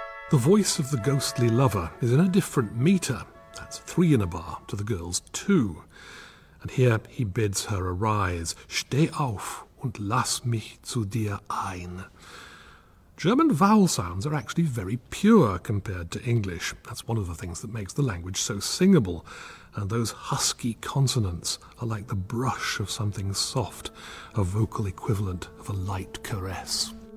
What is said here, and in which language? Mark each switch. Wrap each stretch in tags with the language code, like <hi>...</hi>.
<en>The voice of the ghostly lover is in a different meter, that's 3 in a bar, to the girl's 2. And here he bids her arise,</en> <de>steh auf und lass mich zu dir ein.</de> <en>German vowel sounds are actually very pure compared to English. That's one of the things that makes the language so singable. And those husky consonants are like the brush of something soft, a vocal equivalent of a light caress.</en>